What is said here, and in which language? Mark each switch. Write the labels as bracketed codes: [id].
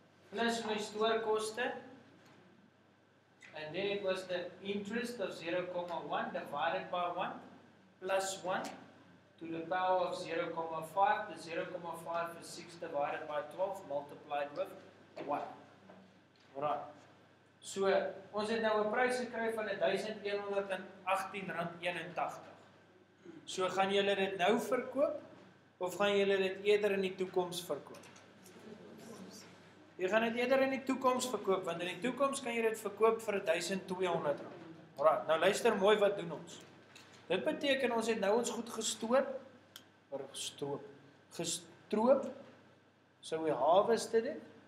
[af] Plus my stoorkoste, [en] and then it was the interest of 0,1 divided by 1, plus 1, to to the power of 0.5, the 0.5 is 6 divided by 12 multiplied with 1. Right. [af] So, ons het nou 'n prys gekry van R1,118.81. So, gaan julle dit nou verkoop, of gaan julle dit eerder in die toekoms verkoop? Jy gaan dit eerder in die toekoms verkoop, want in die toekoms kan jy dit verkoop vir R1,200. Right, nou luister mooi wat doen ons. Dit beteken ons het nou ons goed gestroop, [en] so we harvested it.